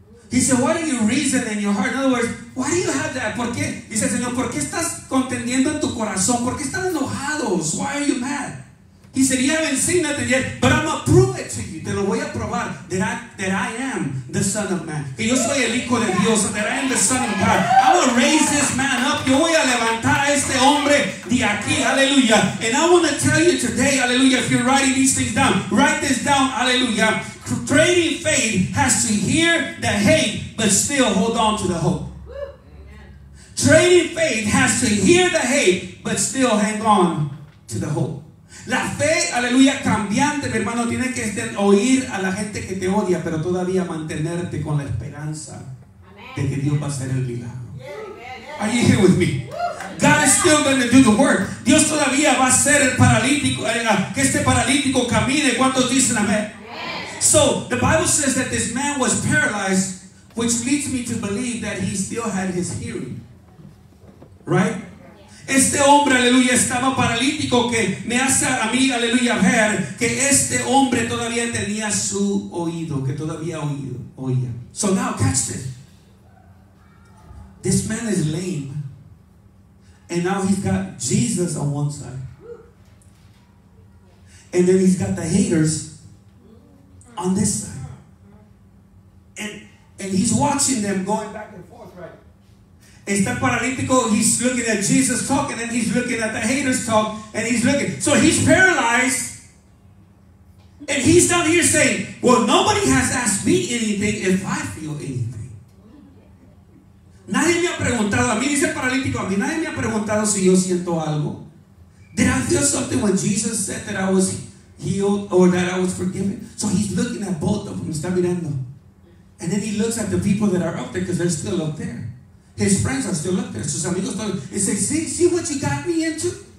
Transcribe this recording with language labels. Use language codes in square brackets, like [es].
[en] He said, why do you reason in your heart? In other words, why do you have that? [es] ¿Por qué? He said, Señor, ¿por qué estás contendiendo en tu corazón? ¿Por qué están enojados? [en] Why are you mad? He said, you haven't seen nothing yet, but I'm going to prove it to you. [es] Te lo voy a probar [en] that I am the Son of Man. [es] Que yo soy el Hijo de Dios, [en] that I am the Son of God. I will raise this man up. [es] Yo voy a levantar a este hombre de aquí. [en] Hallelujah. And I want to tell you today, hallelujah, if you're writing these things down, write this down, hallelujah. Trading faith has to hear the hate, but still hold on to the hope. Trading faith has to hear the hate, but still hang on to the hope. [es] La fe, aleluya, cambiante, mi hermano, tiene que oír a la gente que te odia, pero todavía mantenerte con la esperanza de que Dios va a hacer el milagro. [en] Are you here with me? God is still going to do the work. [es] Dios todavía va a hacer el paralítico, que este paralítico camine. ¿Cuántos dicen amén? [en] So, the Bible says that this man was paralyzed, which leads me to believe that he still had his hearing. Right? [es] Este hombre, aleluya, estaba paralítico, que me hace a mí, aleluya, ver que este hombre todavía tenía su oído, que todavía oía. [en] So now, catch this. This man is lame. And now he's got Jesus on one side. And then he's got the haters on this side. And he's watching them going back and forth, right? [es] Está paralítico, [en] he's looking at Jesus talking and he's looking at the haters talk and he's looking. So he's paralyzed. And he's down here saying, well, nobody has asked me anything if I feel anything. [es] Nadie me ha preguntado, a mí dice paralítico, a mí nadie me ha preguntado si yo siento algo. [en] Did I feel something when Jesus said that I was healed or that I was forgiven? So he's looking at both of them, [es] está mirando. [en] And then he looks at the people that are up there because they're still up there. His friends are still up there. [es] Sus amigos están. [en] He says, see what you got me into?